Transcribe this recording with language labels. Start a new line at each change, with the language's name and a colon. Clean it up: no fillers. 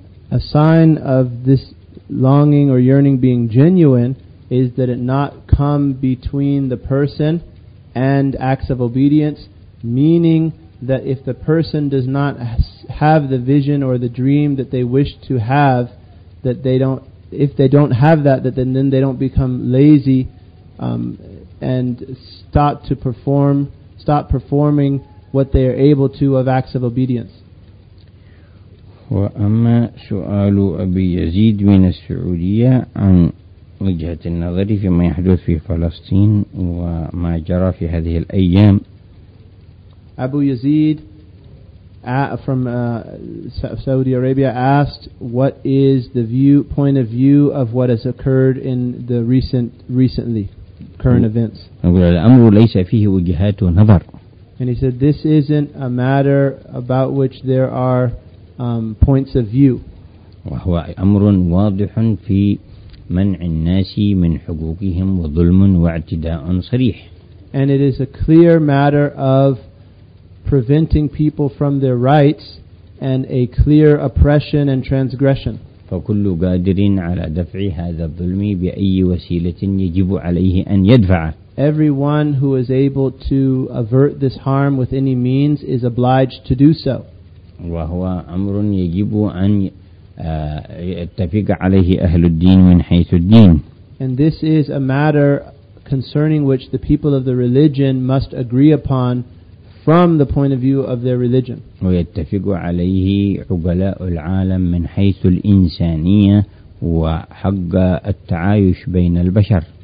English: A sign of this longing or yearning being genuine is that it not come between the person and acts of obedience, meaning that if the person does not have the vision or the dream that they wish to have, that they don't, if they don't have that, that then they don't become lazy and stop performing what they are able to of acts of obedience.
Arabic: وأما سؤال أبي يزيد من السعودية عن وجهة النظر فيما يحدث في فلسطين وما جرى في هذه الأيام.
English: Abu Yazid from Saudi Arabia asked, "What is the point of view of what has occurred in the recently current events?"
Arabic: الأمر ليس فيه وجهات نظر.
English: And he said, "This isn't a matter about which there are points of view."
Arabic: وهو أمر واضح في منع الناس من حقوقهم وظلم واعتداء صريح.
English: And it is a clear matter of preventing people from their rights and a clear oppression and transgression.
Arabic: فكل قادر على دفع هذا الظلم بأي وسيلة يجب عليه أن يدفعه.
English: Everyone who is able to avert this harm with any means is obliged to do so.
Arabic: وهو أمر يجب أن يتفق عليه أهل الدين من حيث الدين.
English: And this is a matter concerning which the people of the religion must agree upon from the point of view of their religion.
Arabic: ويتفق عليه عقلاء العالم من حيث الإنسانية وحق التعايش بين البشر.